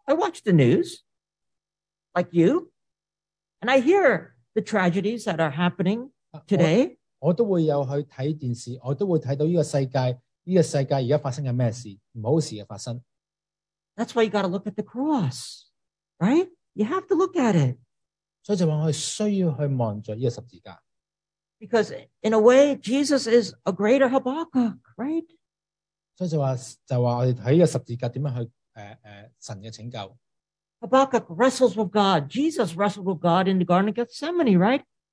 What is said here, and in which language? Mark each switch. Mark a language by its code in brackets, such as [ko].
[en] I watch the news, like you, and I hear the tragedies that are happening today. [yue] 我都会有去睇电视，我都会睇到呢个世界而家发生嘅咩事，唔好事嘅发生。 [en] That's why you got to look at the cross, right? You have to look at it. [yue] 所以就话我需要去望住呢个十字架。 [en] Because in a way, Jesus is a greater Habakkuk, right? [yue] 所以就话我哋睇呢个十字架点样去神嘅拯救。 [en] Habakkuk wrestles with God. Jesus wrestled with God in the Garden of Gethsemane, right?